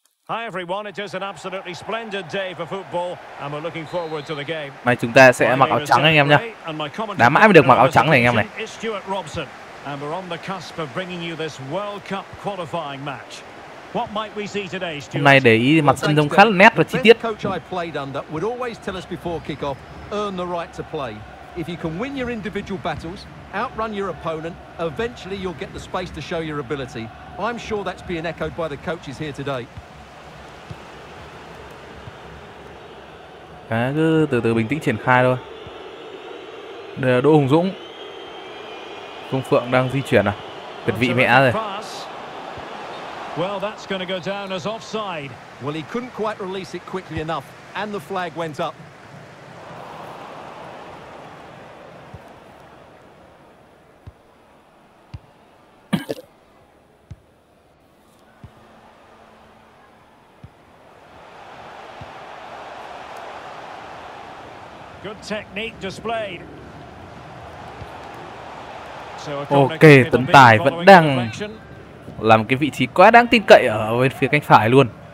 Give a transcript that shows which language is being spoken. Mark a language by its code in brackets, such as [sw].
[en] Hi everyone, it is an absolutely splendid day for football and we're looking forward to the game. [vi] Mày chúng ta sẽ mặc áo trắng anh em nhá. Đá mãi mới được mặc áo trắng này anh em này. [en] And we're on the cusp of bringing you this World Cup qualifying match. What might we see today, Stuart? [vi] Hôm nay để ý mặt sân trông khá là nét và chi tiết. [en] Coach I played under would always tell us before kickoff, earn the right to play. If you can win your individual battles, outrun your opponent, eventually you'll get the space to show your ability. I'm sure that's being echoed by the coaches here today. [vi] À, cứ từ từ bình tĩnh triển khai thôi. Đây là Đỗ Hùng Dũng. Công Phượng đang di chuyển à? Tuyệt vị mẹ rồi. [en] Well, that's going to go down as offside. Well, he couldn't quite release it quickly enough and the flag went up. Good technique displayed. [vi] Ok, Tấn Tài vẫn đang làm cái vị trí quá đáng tin cậy ở bên phía cánh phải luôn.